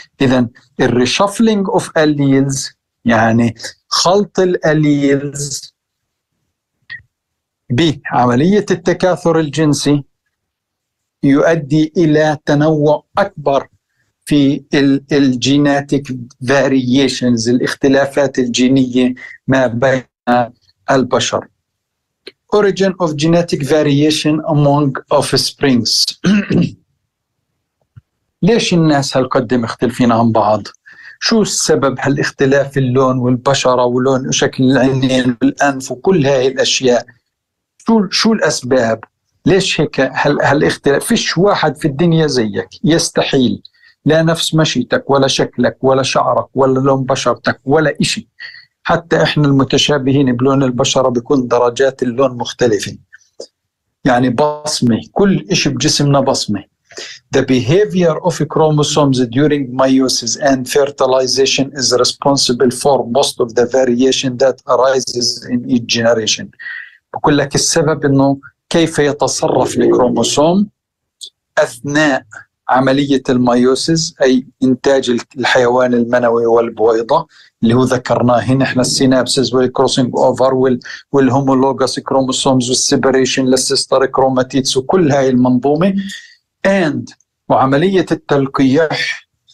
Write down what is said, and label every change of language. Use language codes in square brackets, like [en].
[ar] إذن [en] الريشافلينج of alleles [ar] يعني خلط الأليلز بعملية التكاثر الجنسي يؤدي إلى تنوع أكبر في الجيناتيك فارييشنز الاختلافات الجينية ما بين البشر. [en] Origin of genetic variation among offsprings. [ar] ليش الناس هالقد مختلفين عن بعض؟ شو السبب هالاختلاف اللون والبشرة ولون وشكل العينين والأنف وكل هاي الأشياء؟ شو الأسباب؟ ليش هيك هالاختلاف؟ فيش واحد في الدنيا زيك، يستحيل، لا نفس مشيتك ولا شكلك ولا شعرك ولا لون بشرتك ولا إشي. حتى إحنا المتشابهين بلون البشرة بيكون درجات اللون مختلفة، يعني بصمة، كل إشي بجسمنا بصمة. [en] The behavior of chromosomes during meiosis and fertilization is responsible for most of the variation that arises in each generation. [ar] بقول لك السبب إنه كيف يتصرف الكروموسوم أثناء عملية الميوسيس أي إنتاج الحيوان المنوي والبويضة اللي هو ذكرناه هنا إحنا السينابسز والكروسينج أوفر والهومولوغاس كروموسومز والسيبريشن للسيستر كروماتيتس وكل هاي المنظومة. And وعملية التلقيح